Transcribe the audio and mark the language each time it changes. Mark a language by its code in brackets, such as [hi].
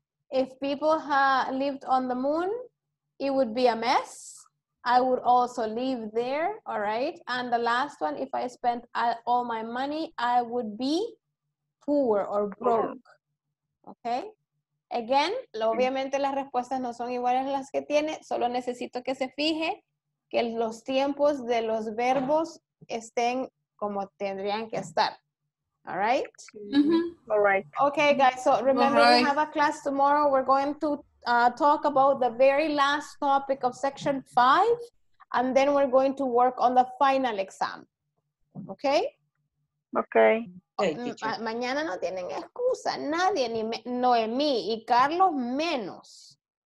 [en] If people lived on the moon, it would be a mess. I would also live there, all right? And the last one, if I spent all my money, I would be poor or broke, okay? Again, [es] obviamente las respuestas no son iguales a las que tiene, solo necesito que se fije que los tiempos de los verbos estén como tendrían que estar. [en] All right? Mm-hmm. All right. Okay, guys, so remember we have a class tomorrow. We're going to talk about the very last topic of section 5, and then we're going to work on the final exam. Okay? Okay. [es] Hey, mañana no tienen excusa, nadie, ni Noemí y Carlos menos.